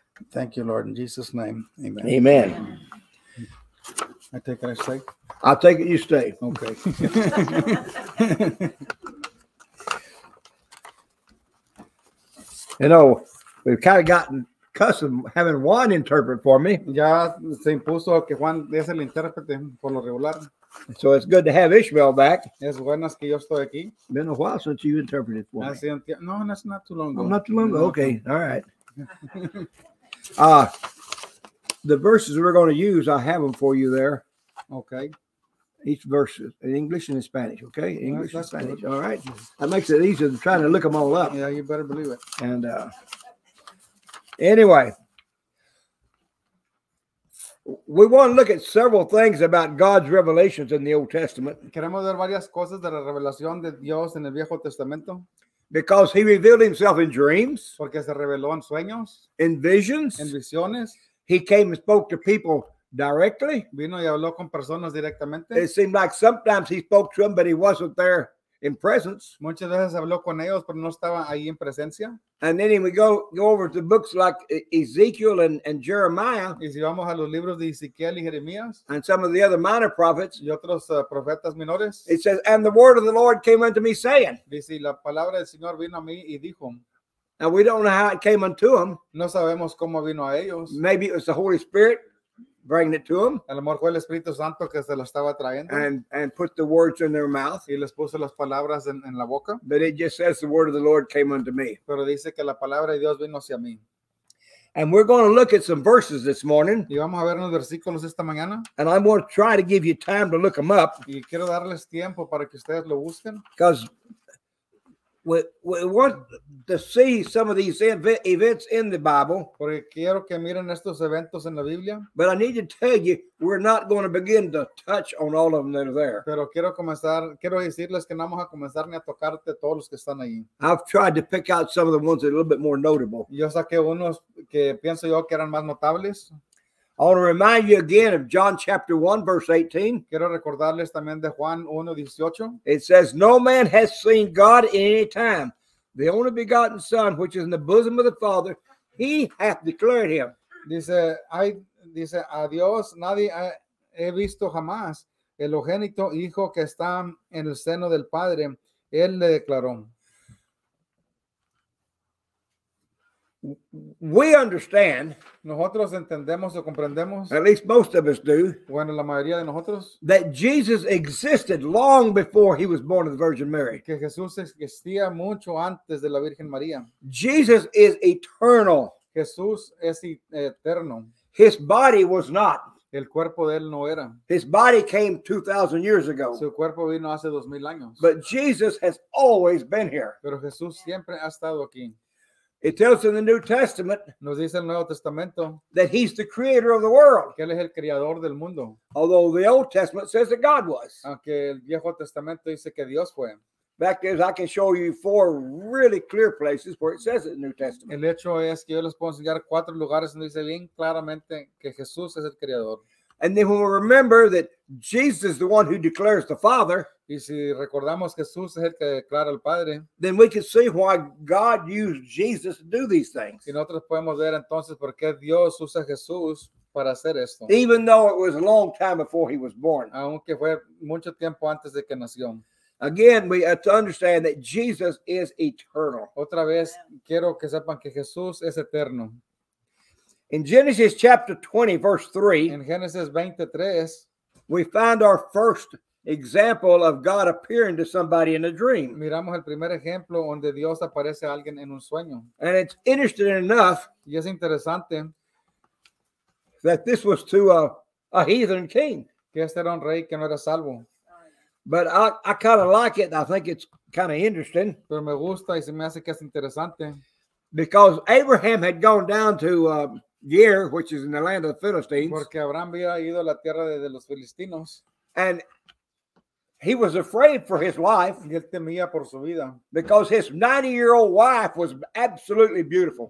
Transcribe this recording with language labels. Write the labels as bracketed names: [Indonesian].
[English] Thank you, Lord. In Jesus' name, amen. Amen. I take it, I stay? I'll take it, you stay. Okay. You know, we've kind of gotten accustomed having Juan interpret for me. [Spanish] Ya se impuso que Juan es el intérprete por lo regular. [English] So it's good to have Ishmael back. [Spanish] Es bueno que yo estoy aquí. [English] Been a while since you interpreted for me. No, that's not too long ago. Oh, not too long ago. Okay. All right. the verses we're going to use, I have them for you there. Okay. Each verse is in English and in Spanish, okay? English that's and Spanish, good. All right? That makes it easier than trying to look them all up. Yeah, you better believe it. And anyway, we want to look at several things about God's revelations in the Old Testament. [Spanish] Queremos ver varias cosas de la revelación de Dios en el Viejo Testamento. [English] Because he revealed himself in dreams. [Spanish] Porque se reveló en sueños. [English] In visions. [Spanish] En visiones. [English] He came and spoke to people directly. [Spanish] Vino y habló con personas directamente. [English] It seemed like sometimes he spoke to them, but he wasn't there in presence. [Spanish] Muchas veces habló con ellos, pero no estaba ahí en presencia. [English] And then we go over to books like Ezekiel and Jeremiah. [Spanish] Y si vamos a los libros de Ezequiel y Jeremías. [English] And some of the other minor prophets. [Spanish] Y otros profetas menores. [English] It says, and the word of the Lord came unto me saying. [Spanish] Dice, la palabra del Señor vino a mí y dijo. [English] And we don't know how it came unto them. [Spanish] No sabemos cómo vino a ellos. [English] Maybe it was the Holy Spirit bringing it to them. [Spanish] A lo mejor fue el Espíritu Santo que se lo estaba trayendo. [English] And put the words in their mouth. [Spanish] Y les puso las palabras en la boca. [English] But it just says the word of the Lord came unto me. [Spanish] Pero dice que la palabra de Dios vino hacia mí. [English] And we're going to look at some verses this morning. [Spanish] Y vamos a ver unos versículos esta mañana. [English] And I'm going to try to give you time to look them up. [Spanish] Y quiero darles tiempo para que ustedes lo busquen. [English] Because we want to see some of these events in the Bible. [Spanish] Porque quiero que miren estos eventos en la Biblia. [English] But I need to tell you, we're not going to begin to touch on all of them that are there. [Spanish] Pero quiero comenzar, quiero decirles que no vamos a comenzar ni a tocarte todos los que están ahí. [English] I've tried to pick out some of the ones that are a little bit more notable. [Spanish] Yo saqué unos que pienso yo que eran más notables. [English] I want to remind you again of John chapter 1, verse 18. [Spanish] Quiero recordarles también de Juan 1, 18. [English] It says, no man has seen God in any time. The only begotten Son, which is in the bosom of the Father, he hath declared him. [Spanish] Dice, a Dios nadie he visto jamás. El ojénito Hijo que está en el seno del Padre, él le declaró. [English] We understand. [Spanish] Nosotros entendemos o comprendemos. [English] At least most of us do. [Spanish] Bueno, la mayoría de nosotros. [English] That Jesus existed long before he was born of the Virgin Mary. [Spanish] Que Jesús existía mucho antes de la Virgen María. [English] Jesus is eternal. [Spanish] Jesús es eterno. [English] His body was not. [Spanish] El cuerpo de él no era. [English] His body came 2,000 years ago. [Spanish] Su cuerpo vino hace 2,000 años. [English] But Jesus has always been here. [Spanish] Pero Jesús siempre ha estado aquí. [English] It tells in the New Testament [Spanish] nos dice el Nuevo Testamento [English] that he's the creator of the world. [Spanish] Que él es el creador del mundo. [English] Although the Old Testament says that God was. [Spanish] Aunque el Viejo Testamento dice que Dios fue. [English] Fact is, I can show you four really clear places where it says it in the New Testament. [Spanish] El hecho es que yo les puedo enseñar cuatro lugares donde dice bien claramente que Jesús es el creador. [English] And then when we remember that Jesus is the one who declares the Father, [Spanish] y si recordamos que Jesús es el que declara el Padre, [English] then we can see why God used Jesus to do these things. [Spanish] Y nosotros podemos ver entonces por qué Dios usa a Jesús para hacer esto. [English] Even though it was a long time before he was born. [Spanish] Aunque fue mucho tiempo antes de que nació. [English] Again, we have to understand that Jesus is eternal. [Spanish] Otra vez, quiero que sepan que Jesús es eterno. [English] In Genesis chapter 20, verse 3, [Spanish] en Génesis 23, [English] we find our first example of God appearing to somebody in a dream. [Spanish] Miramos el primer ejemplo donde Dios aparece a alguien en un sueño. [English] And it's interesting enough, [Spanish] y es interesante, [English] that this was to a heathen king. [Spanish] Que este era un rey que no era salvo. [English] But I kind of like it. I think it's kind of interesting. [Spanish] Pero me gusta y se me hace que es interesante. [English] Because Abraham had gone down to Gear, which is in the land of the Philistines. [Spanish] Porque Abraham había ido a la tierra de los filistinos. [English] And he was afraid for his life. [Spanish] Y él temía por su vida. [English] Because his 90-year-old wife was absolutely beautiful.